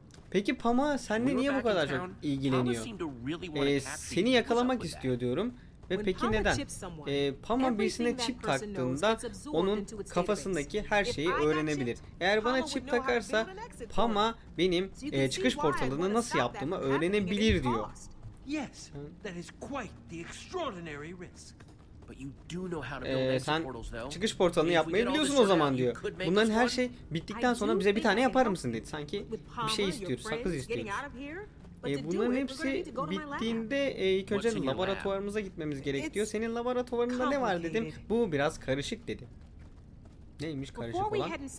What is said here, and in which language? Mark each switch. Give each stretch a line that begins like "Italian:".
Turkish: Peki Pama senle niye bu kadar çok ilgileniyor? Seni yakalamak istiyor diyorum. Ve peki neden? Pama birisine çip taktığında onun kafasındaki her şeyi öğrenebilir. Eğer bana çip takarsa Pama benim çıkış portalını nasıl yaptığımı öğrenebilir diyor.
English: Yes, that is quite the extraordinary risk. But you do know how to build exit portals, though.
Turkish: Çıkış portalını yapmayı biliyorsun o zaman diyor. Bunların her şey bittikten sonra bize bir tane yapar mısın dedi. Sanki bir şey istiyoruz, sakız istiyoruz. Bunların hepsi bittiğinde ilk önce laboratuvarımıza gitmemiz gerek diyor. Senin laboratuvarında ne var dedim. Bu biraz karışık dedi. Neymiş karışık olan?